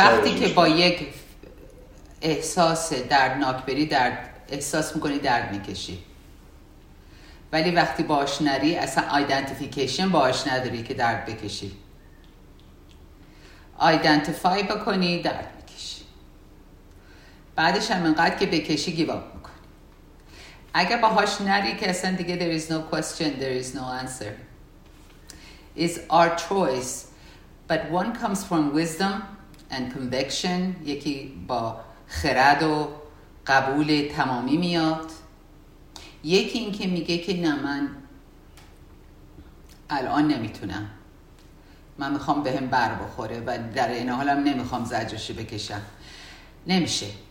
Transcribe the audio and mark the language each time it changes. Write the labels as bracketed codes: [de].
[fa] وقتی که با یک احساس دردناک بری درد احساس میکنی، درد میکشی، ولی وقتی باش نری اصلا ایدنتیفیکیشن باش نداری که درد بکشی، ایدنتیفای بکنی درد میکشی، بعدش هم انقدر که بکشی گیواب میکنی. اگه باهاش نری که اصلا دیگه [en] there is no question, there is no answer. is our choice, but one comes from wisdom and conviction. [fa] یکی با خرد و قبول تمامی میاد. یکی این که میگه که نه من الان نمیتونم. من میخوام به هم بر بخوره و در این حال هم نمیخوام زجرشی بکشم. نمیشه.